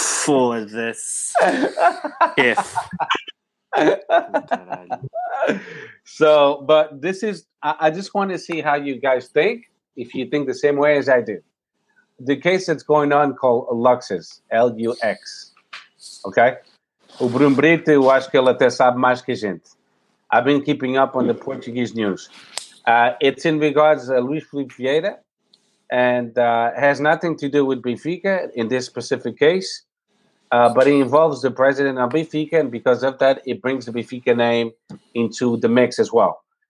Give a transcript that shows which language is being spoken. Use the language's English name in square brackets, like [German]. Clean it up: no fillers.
[English] For this. If. So, but this is, I just want to see how you guys think, if you think the same way as I do. The case that's going on called Luxus, L-U-X, okay? [Portuguese] O Bruno Brito, eu acho que ele até sabe mais que a gente. [English] I've been keeping up on the Portuguese news. It's in regards to Luis Felipe Vieira and has nothing to do with Benfica in this specific case, but it involves the president of Benfica, and because of that, it brings the Benfica name into the mix as well.